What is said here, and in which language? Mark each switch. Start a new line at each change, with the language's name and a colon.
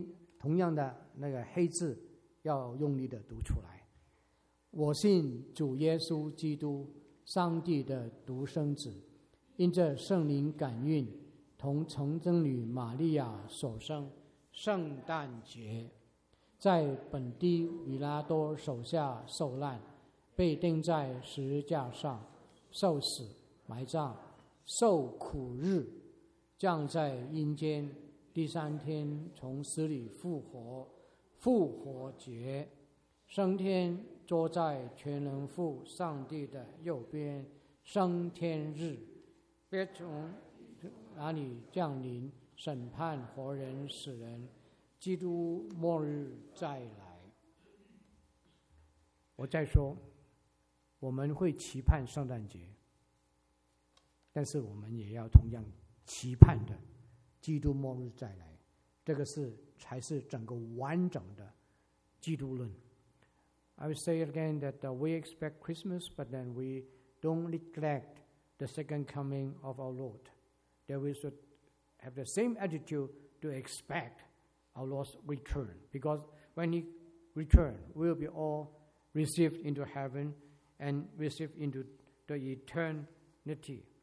English: Let's say we're going to read the Apostle Creed,
Chinese: 要用力地读出来。我信主耶稣基督，上帝的独生子， 因着圣灵感孕， 同从贞女玛利亚所生， 圣诞节， 在本地比拉多手下受难， 被钉在十字架上， 受死埋葬， 受苦日，降在阴间， 第三天从死里复活， 复活节， 升天坐在全能父上帝的右边， 升天日， 别从哪里降临， 审判活人死人， 基督末日再来。我再说， 我们会期盼圣诞节， 但是我们也要同样期盼的， 基督末日再来， 这个是才是整个完整的基督论。
English: I will say again that we expect Christmas, but then we don't neglect the second coming of our Lord. That we should have the same attitude to expect our Lord's return. Because when he returns, we will be all received into heaven and received into the eternity.